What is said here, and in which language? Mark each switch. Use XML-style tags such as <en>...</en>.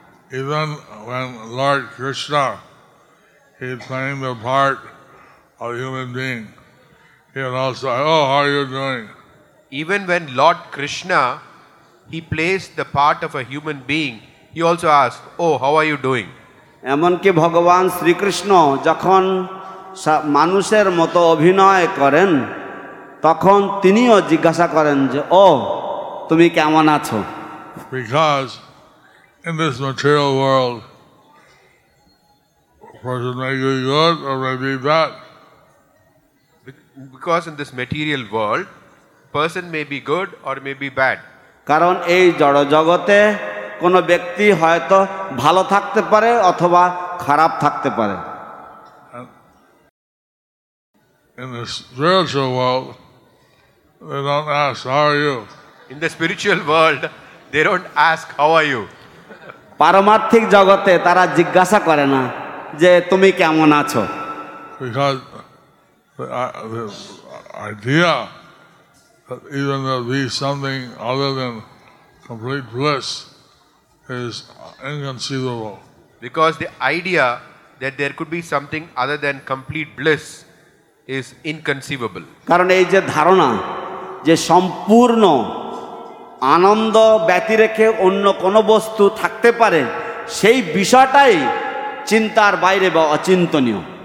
<en>Even when Lord Krishna is playing the part of a human being, he will also say, oh, how are you doing? Even when Lord Krishna, he plays the part of a human being, he also asks, oh, how are you doing?</en> <bn>এমনকি ভগবান শ্রীকৃষ্ণ যখন মানুষের মতো অভিনয় করেন তখন তিনিও জিজ্ঞাসা করেন যে ও তুমি কেমন আছো</bn> <en>Because in this material world, person may be good or may be bad. Because in this material world, person may be good or may be bad.</en> <bn>কারণ এই জড় জগতে কোন ব্যক্তি হয়তো ভালো থাকতে পারে অথবা খারাপ থাকতে পারে</bn> <en>In the spiritual world, they don't ask, how are you? In the spiritual world, they don't ask, how are you?</en> <bn>পারমার্থিক জগতে তারা জিজ্ঞাসা করে না যে তুমি কেমন আছো</bn> <en>Because the idea that even there be something other than complete bliss is inconceivable. Because the idea that there could be something other than complete bliss is inconceivable.</en> <bn>কারণ এই যে ধারণা যে সম্পূর্ণ আনন্দ ব্যতীত রেখে অন্য কোন বস্তু থাকতে পারে সেই বিষয়টাই চিন্তার বাইরে বা অচিন্তনীয়।</bn>